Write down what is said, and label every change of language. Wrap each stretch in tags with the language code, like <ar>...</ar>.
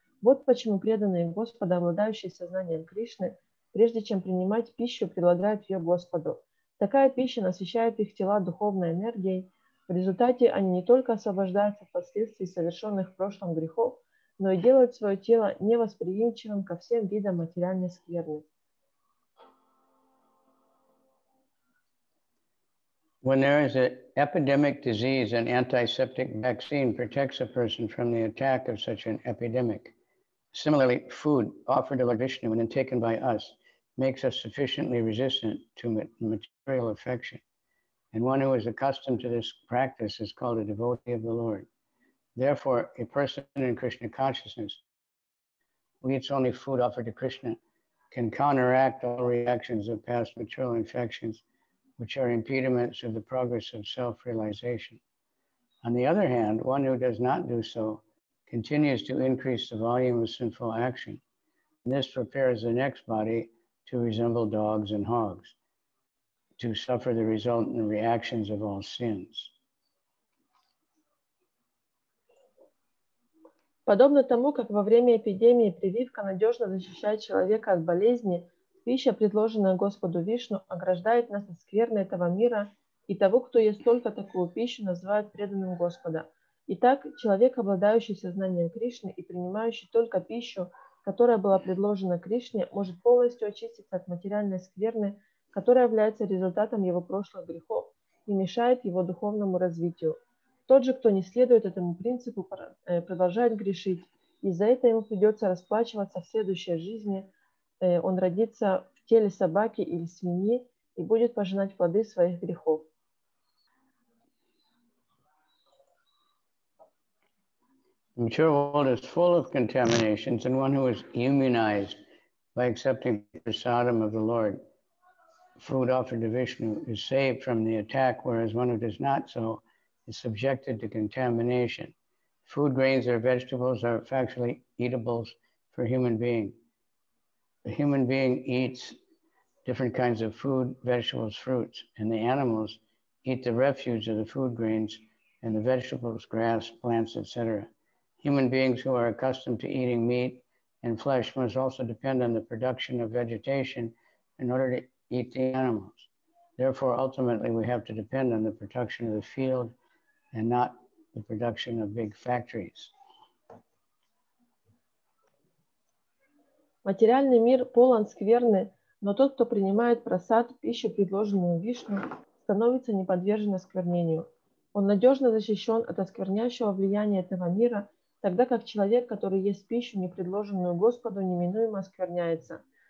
<ru>Вот почему преданные Господу, обладающие сознанием Кришны, прежде чем принимать пищу, предлагают ее Господу. Такая пища насыщает их тела духовной энергией. В результате они не только освобождаются от последствий совершенных в прошлом грехов, но и делают свое тело невосприимчивым ко всем видам материальной скверны.</ru> <en>When there is an epidemic disease, an antiseptic vaccine protects a person from the attack of such an epidemic. Similarly, food offered to Lord Vishnu when taken by us makes us sufficiently resistant to material affection. And one who is accustomed to this practice is called a devotee of the Lord. Therefore, a person in Krishna consciousness who eats only food offered to Krishna can counteract all reactions of past material infections, which are impediments of the progress of self-realization. On the other hand, one who does not do so continues to increase the volume of sinful action. And this prepares the next body to resemble dogs and hogs, to suffer the resultant reactions of all sins.</en> <ru>Подобно тому, как во время эпидемии прививка надежно защищает человека от болезни, пища, предложенная Господу Вишну, ограждает нас от скверны этого мира и того, кто ест только такую пищу, называют преданным Господа. Итак, человек, обладающий сознанием Кришны и принимающий только пищу, которая была предложена Кришне, может полностью очиститься от материальной скверны, которая является результатом его прошлых грехов и мешает его духовному развитию. Тот же, кто не следует этому принципу, продолжает грешить, и за это ему придется расплачиваться в следующей жизни. Он родится в теле собаки или свиньи и будет пожинать плоды своих грехов.</ru> <en>Mature world is full of contaminations, and one who is immunized by accepting prasadam of the Lord, food offered to Vishnu, is saved from the attack, whereas one who does not so is subjected to contamination. Food grains or vegetables are factually eatables for human being. The human being eats different kinds of food, vegetables, fruits, and the animals eat the refuse of the food grains and the vegetables, grass, plants, etc. Human beings who are accustomed to eating meat and flesh must also depend on the production of vegetation in order to eat the animals. Therefore, ultimately, we have to depend on the production of the field and not the production of big factories.</en> <ru>Материальный мир полон скверны, но тот, кто принимает прасад, пищу, предложенную Вишну, становится не подвержен осквернению. Он надежно защищен от осквернящего влияния этого мира, тогда как человек, который ест пищу, не предложенную Господу, неминуемо оскверняется.</ru>